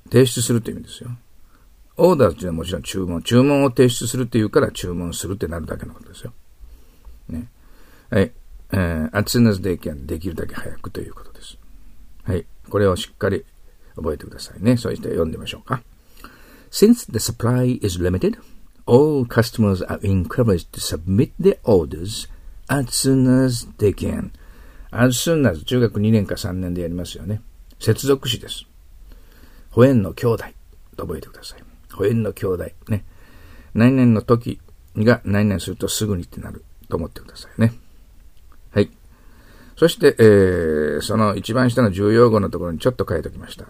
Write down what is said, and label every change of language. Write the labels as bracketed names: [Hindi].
[Japanese] 提出するという意味ですよ。order っていうのはもちろん注文。注文を提出するっていうから注文するってなるだけのことですよ。ね。はい。 [English] as soon as they can [Japanese] できるだけ早くということです。はい。これをしっかり覚えてくださいね。そして読んでみましょうか。 [English] since the supply is limited, all customers are encouraged to submit their orders as soon as they can. [Japanese] As soon as 中学2年か3年でやりますよね。接続詞です。ホエンの兄弟と覚えてください。ホエンの兄弟ね。何々の時が何々するとすぐにってなると思ってくださいね。はい。そして、その一番下の重要語のところにちょっと書いておきました。